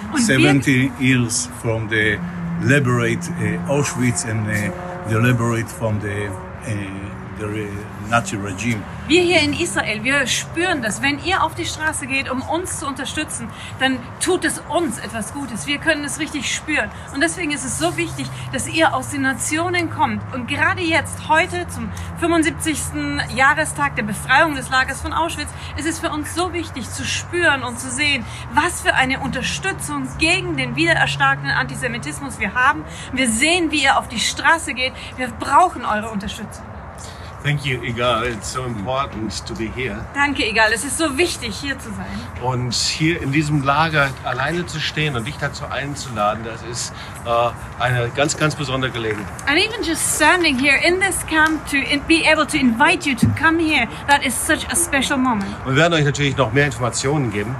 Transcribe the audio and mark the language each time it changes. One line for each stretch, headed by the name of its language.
English: 17 years from the liberate Auschwitz and the liberate from the
German: der Nazi Regime. Wir hier in Israel, wir spüren das. Wenn ihr auf die Straße geht, um uns zu unterstützen, dann tut es uns etwas Gutes. Wir können es richtig spüren. Und deswegen ist es so wichtig, dass ihr aus den Nationen kommt. Und gerade jetzt, heute zum 75. Jahrestag der Befreiung des Lagers von Auschwitz, ist es für uns so wichtig zu spüren und zu sehen, was für eine Unterstützung gegen den wiedererstarkenden Antisemitismus wir haben. Wir sehen, wie ihr auf die Straße geht. Wir brauchen eure Unterstützung.
English: Thank you, Egal. It's so important to be here.
German: Danke, Egal. Es ist so wichtig, hier zu sein. Und hier in diesem Lager alleine zu stehen und dich dazu einzuladen, das ist eine ganz, ganz besondere Gelegenheit.
English: And even just standing here in this camp to be able to invite you to come here, that is such a special moment.
German: Und wir werden euch natürlich noch mehr Informationen geben.